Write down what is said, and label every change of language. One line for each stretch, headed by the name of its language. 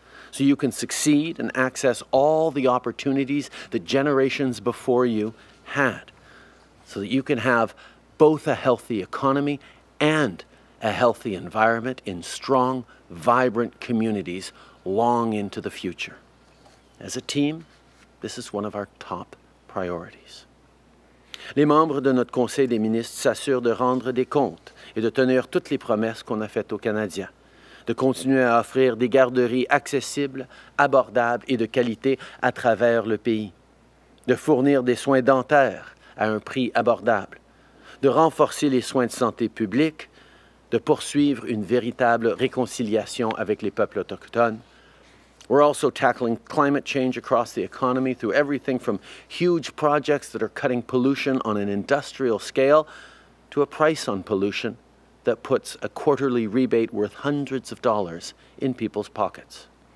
English: So you can succeed and access all the opportunities that generations before you had, so that you can have both a healthy economy and a healthy environment in strong, vibrant communities long into the future. As a team, this is one of our top priorities.
French: Les membres de notre Conseil des ministres s'assurent de rendre des comptes et de tenir toutes les promesses qu'on a faites aux Canadiens. De continuer à offrir des garderies accessibles, abordables et de qualité à travers le pays. De fournir des soins dentaires à un prix abordable. De renforcer les soins de santé publique. De poursuivre une véritable réconciliation avec les peuples autochtones.
English: We're also tackling climate change across the economy through everything from huge projects that are cutting pollution on an industrial scale to a price on pollution that puts a quarterly rebate worth hundreds of dollars in people's pockets.